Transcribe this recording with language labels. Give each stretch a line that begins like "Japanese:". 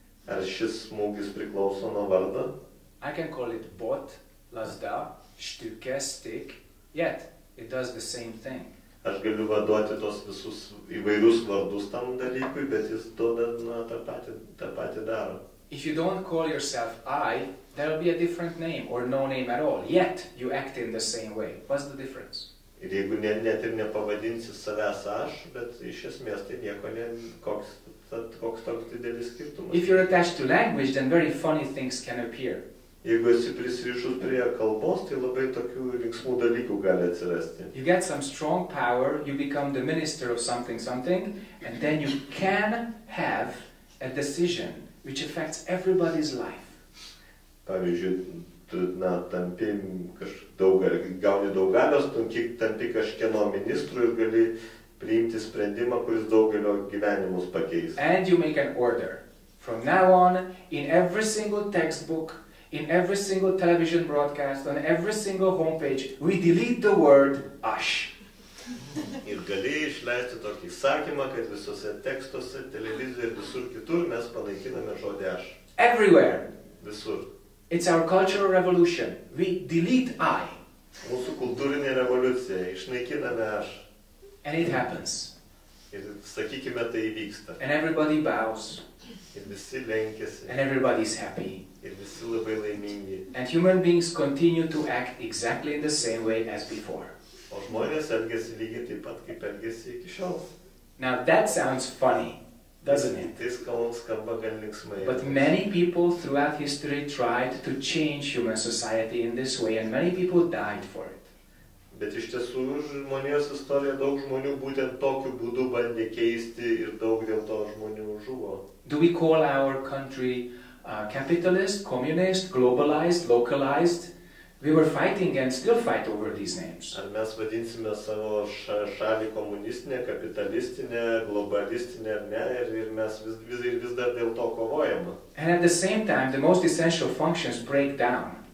Lithuanian: Ar šis smūgis priklauso nuo vardo?
English: I can call it bot, lazda, štiukė, stick, yet it does the same thing.
Lithuanian: Aš galiu vaduoti tos visus įvairius vardus tam dalykui, bet jis duoda tą patį daro.
English: If you don't call yourself I, there will be a different name or no name at all, yet you act in the same way. What's the difference?
Lithuanian: Ir jeigu net ir nepavadinsi savęs aš, bet iš esmės tai nieko koks toks didelis skirtumas.
English: If you're attached to language, then very funny things can appear.
Lithuanian: Jeigu esi prisirišus prie kalbos, tai labai tokių linksmų dalykų gali atsirasti.
English: You get some strong power, you become the minister of something something, and then you can have a decision which affects everybody's life.
Lithuanian: Pavyzdžiui, tu, na, tampi gauni daug galios, tampi kažkieno ministru ir gali priimti sprendimą, kuris daugelio gyvenimus pakeis.
English: And you make an order. From now on, in every single textbook, in every single television broadcast, on every single homepage, we delete the word aš.
Lithuanian: Ir gali išleisti tokį įsakymą, kad visose tekstuose, televizijoje ir visur kitur mes panaikiname žodį aš.
English: Everywhere.
Lithuanian: Visur.
English: It's our cultural revolution. We delete I.
Lithuanian: Mūsų kultūrinė revoliucija. Išnaikiname aš.
English: And it happens.
Lithuanian: Ir sakykime, tai įvyksta.
English: And everybody bows.
Lithuanian: Ir visi lenkiasi.
English: And everybody is happy.
Lithuanian: Ir visi labai laimingi.
English: And human beings continue to act exactly in the same way as before.
Lithuanian: O žmonės elgiasi lygiai taip pat, kaip elgiasi iki šiol.
English: Now that sounds funny, doesn't it?
Lithuanian: Tai skamba gan linksmai.
English: But many people throughout history tried to change human society in this way, and many people died for it.
Lithuanian: Bet iš tiesų žmonijos istorija daug žmonių būtent tokiu būdu bandė keisti ir daug dėl to žmonių žuvo.
English: Do we call our country capitalist, communist, globalized, localized? We were fighting and still fight over these names.
Lithuanian: Ar mes vadinsime savo šalį komunistinė, kapitalistinė, globalistinė, ne, ir mes vis dar dėl to kovojame.
English: And at the same time, the most essential functions break down.